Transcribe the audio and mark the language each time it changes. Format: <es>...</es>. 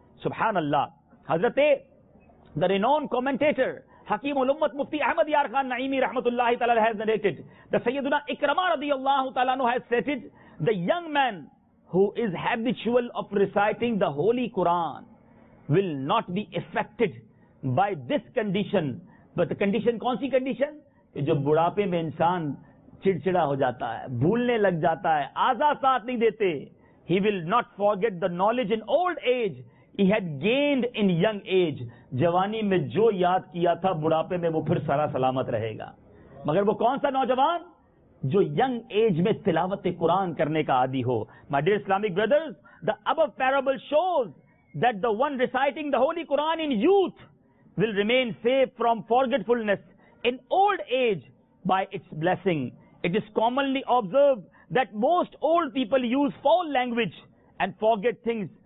<ur>سبحان اللہ. حضرت</ur> <en>The renowned commentator, حکیم الامت مفتی احمد یار خان نعیمی رحمت اللہ تعالی has narrated, the سیدنا اکرمہ رضی اللہ تعالی عنہ has stated, the young man who is habitual of reciting the holy Quran will not be affected by this condition. But the condition,</en> <ur>کون سی condition؟ جو بڑھاپے میں انسان چڑچڑا ہو جاتا ہے, بھولنے لگ جاتا ہے, آزا ساتھ نہیں دیتے.</ur> <en>He will not forget the knowledge in old age he had gained in young age.</en> <ur>جوانی میں جو یاد کیا تھا بڑھاپے میں وہ پھر سارا سلامت رہے گا. مگر وہ کون سا نوجوان؟ جو ینگ ایج میں تلاوت قرآن کرنے کا عادی ہو.</ur> <en>My dear Islamic brothers, the above parable shows that the one reciting the holy Quran in youth will remain safe from forgetfulness in old age by its blessing. It is commonly observed that most old people use foul language and forget things.</en>